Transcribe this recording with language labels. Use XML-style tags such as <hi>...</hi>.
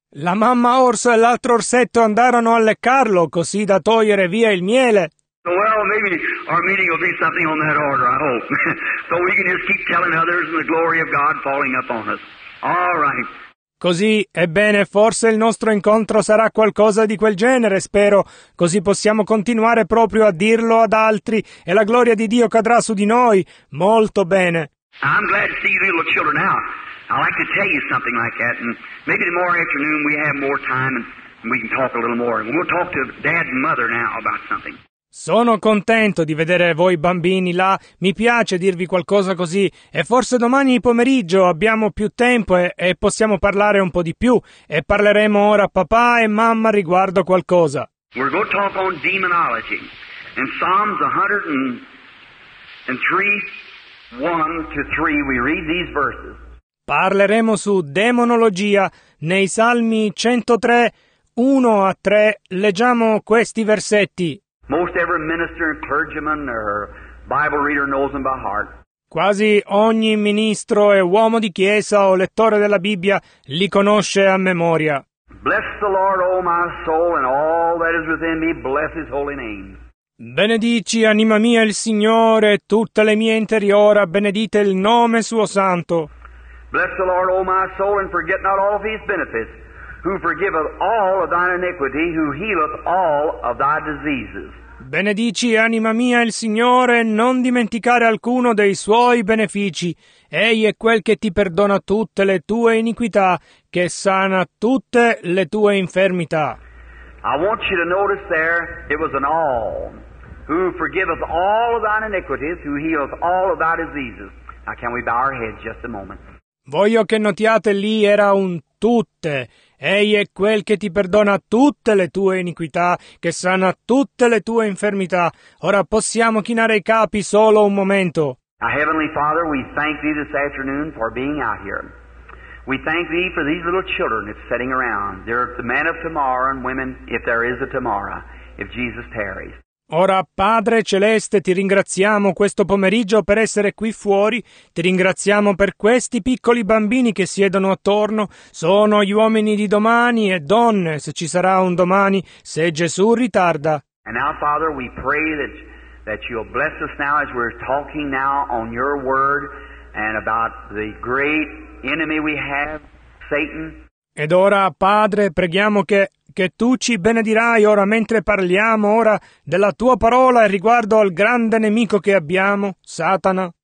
<it>La mamma orso e l'altro orsetto andarono a leccarlo, così da togliere via il miele.</it> <en>Well, maybe our meeting will be something on that order, I hope. So we can just keep telling others and the glory of God falling upon us. All right.</en> <it>Così, ebbene, forse il nostro incontro sarà qualcosa di quel genere, spero. Così possiamo continuare proprio a dirlo ad altri e la gloria di Dio cadrà su di noi. Molto bene.</it> <en>I'm glad to see you little children out. I'd like to tell you something like that. And maybe tomorrow afternoon we have more time and we can talk a little more. And we'll talk to Dad and Mother now about something.</en> <it>Sono contento di vedere voi bambini là, mi piace dirvi qualcosa così, e forse domani pomeriggio abbiamo più tempo e possiamo parlare un po' di più, e parleremo ora a papà e mamma riguardo qualcosa.</it> <en>We're going to talk on demonology. In Psalms 103:1-3 we read these verses.</en> <it>Parleremo su demonologia nei Salmi 103:1-3, leggiamo questi versetti.</it> <en>Most every minister and clergyman or Bible reader knows them by heart.</en> <it>Quasi ogni ministro e uomo di chiesa o lettore della Bibbia li conosce a memoria.</it> <en>Bless the Lord, O my soul, and all that is within me, bless His holy name.</en> <it>Benedici, anima mia, il Signore, tutte le mie interiora, benedite il nome suo santo.</it> <en>Bless the Lord, O my soul, and forget not all of His benefits. Who forgiveth all of thine iniquity, who healeth all of thy diseases.</en> <it>Benedici, anima mia, il Signore, non dimenticare alcuno dei suoi benefici. Egli è quel che ti perdona tutte le tue iniquità, che sana tutte le tue infermità.</it> <en>I want you to notice there, it was an all. Who forgiveth all of thine iniquities, who healeth all of thy diseases. Now can we bow our heads just a moment?</en> <it>Voglio che notiate lì era un tutte. Egli è quel che ti perdona tutte le tue iniquità, che sana tutte le tue infermità. Ora possiamo chinare i capi solo un momento.</it> <en>Our Heavenly Father, we thank Thee this afternoon for being out here. We thank Thee for these little children that's sitting around. They're the men of tomorrow and women, if there is a tomorrow, if Jesus tarries.</en> <it>Ora, Padre Celeste, ti ringraziamo questo pomeriggio per essere qui fuori, ti ringraziamo per questi piccoli bambini che siedono attorno, sono gli uomini di domani e donne, se ci sarà un domani, se Gesù ritarda.</it> <en>And now, Father, we pray that you'll bless us now as we're talking now on your word and about the great enemy we have, Satan.</en> <it>Ed ora, Padre, preghiamo che tu ci benedirai ora mentre parliamo ora della tua parola riguardo al grande nemico che abbiamo, Satana.</it>